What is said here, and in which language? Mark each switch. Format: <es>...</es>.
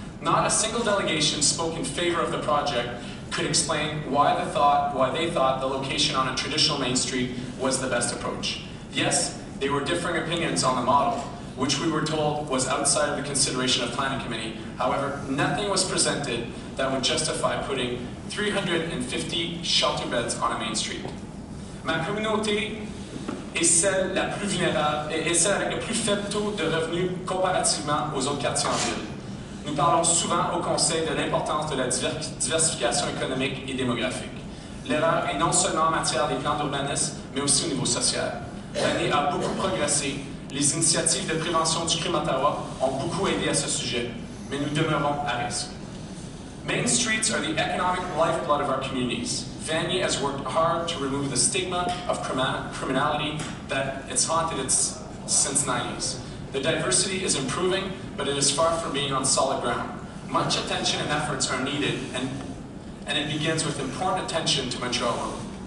<en>Not a single delegation spoke in favor of the project could explain why they thought the location on a traditional main street was the best approach. Yes, they were differing opinions on the model, which we were told was outside of the consideration of planning committee. However, nothing was presented that would justify putting 350 shelter beds on a main street.</en> <fr>Ma communauté est celle la plus vulnérable et est celle avec le plus faible taux de revenus comparativement aux autres quartiers en ville. Nous parlons souvent au Conseil de l'importance de la diversification économique et démographique. L'erreur est non seulement en matière des plans d'urbanisme, mais aussi au niveau social. L'année a beaucoup progressé. Les initiatives de prévention du crime à Ottawa ont beaucoup aidé à ce sujet, mais nous demeurons à risque.</fr> <en>Main streets are the economic lifeblood of our communities. Vanier has worked hard to remove the stigma of criminality that it's haunted its since the 90s. The diversity is improving, but it is far from being on solid ground. Much attention and efforts are needed, and it begins with important attention to Montreal.</en>